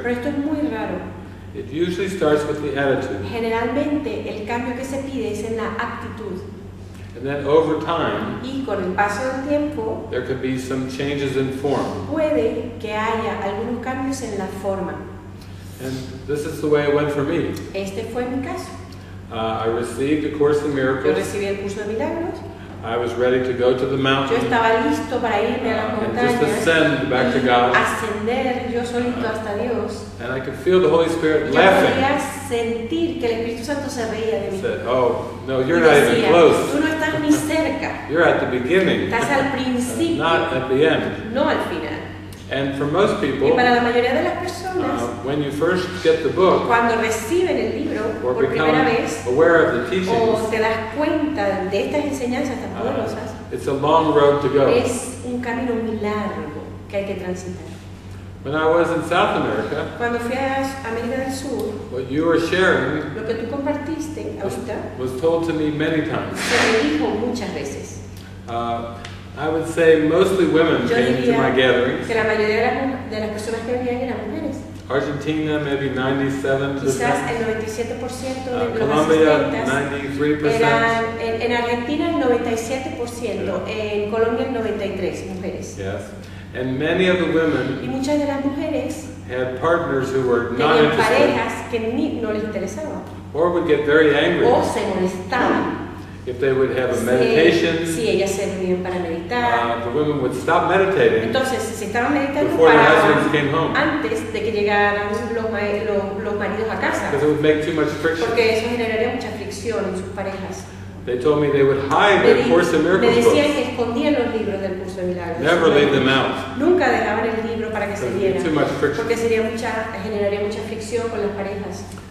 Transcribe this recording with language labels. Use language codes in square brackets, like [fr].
[es] Pero esto es muy raro. [en] It usually starts with the attitude. [es] Generalmente el cambio que se pide es en la actitud. [en] And then over time. [es] Y con el paso del tiempo. [en] There could be some changes in form. [es] Puede que haya algunos cambios en la forma. [en] And this is the way it went for me. [es] Este fue mi caso. [en] I received a Course in Miracles. [es] Yo recibí el curso de milagros. [en] I was ready to go to the mountain. [es] Yo estaba listo para irme a la montaña. [en] Just ascend back to God. [es] Ascender yo solito hasta Dios. [en] And I could feel the Holy Spirit laughing. [es] Yo podía sentir que el Espíritu Santo se reía de mí. [en] Said, "Oh, no, you're not even close. [es] Tú no estás ni cerca. [en] You're at the beginning. [es] Estás al principio. [en] Not at the end. [es] No al final." [en] And for most people, [es] y para la mayoría de las personas, [en] when you first get the book, [es] cuando reciben el libro, [en] or [es] por [en] become [es] primera vez, [en] aware of the teachings, [es] o te das cuenta de estas enseñanzas tan poderosas, [en] it's a long road to go. [es] Es un camino muy largo que hay que transitar. [en] When I was in South America, [es] cuando fui a América del Sur, [en] what you were sharing, [es] lo que tú compartiste ahorita, [en] was told to me many times. [es] Se me dijo muchas veces. [en] I would say mostly women came to my gatherings. [es] Que la mayoría de las personas que venían eran mujeres. [en] Argentina, maybe [es] 97%. Quizás el 97% de [en] Colombia, 93%. [es] En Argentina, el 97%. Yeah. En Colombia, el 93% mujeres. [en] Yes. And many of the women [es] y muchas de las mujeres [en] had partners who were not interested. [es] Parejas que ni, no les interesaban. [en] Or would get very angry. [es] O se molestaban. [en] if they would have a meditation. [es] Sí, ellas se reunían para meditar. [en] The women would stop meditating. [es] Entonces, si estaban meditando [en] before [es] para [en] the husbands came home. [es] Antes de que llegaran los maridos a casa. [en] Because it would make too much friction. [es] Porque eso generaría mucha fricción en sus parejas. [en] They told me they would hide their Course in Miracles books. [es] Me decían que escondían los libros del Curso de Milagros. [en] Never leave them out. [es] Nunca dejaban el libro para que se vieran. [en] Too much friction. [es] Porque sería mucha, generaría mucha fricción con las parejas.